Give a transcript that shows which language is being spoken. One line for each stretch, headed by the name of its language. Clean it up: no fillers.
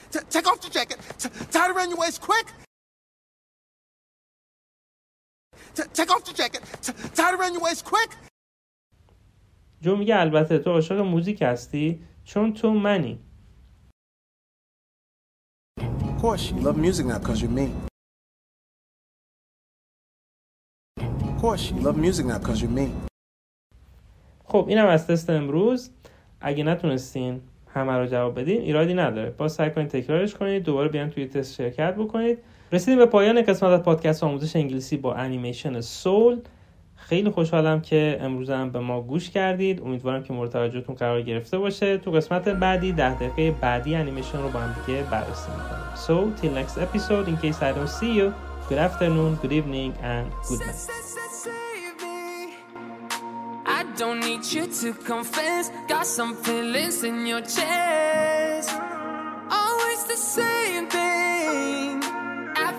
English: Take off the jacket. Tie it around your waist quick. Take off the jacket. Tie it around your waist quick.
Persian: جو میگه البته تو عاشق موزیک هستی چون تو منی.
English: Of course you love music now because you're me. Of course you love music now because you're me.
Persian: خب اینم از تست امروز. اگه نتونستین همه رو جواب بدین ایرادی نداره، با سعی کنید تکرارش کنید، دوباره بیان توی تست شرکت بکنید. رسیدیم به پایان قسمت از پادکست آموزش انگلیسی با انیمیشن سول. خیلی خوشحالم که امروز هم به ما گوش کردید، امیدوارم که مورد توجهتون قرار گرفته باشه. تو قسمت بعدی 10 دقیقه بعدی انیمیشن رو با هم دیگه بررسی می‌کنیم.
English: So till next episode, in case I don't see you, good afternoon, good evening and good night. Don't need you to confess, got some feelings in your chest. Always the same thing. I've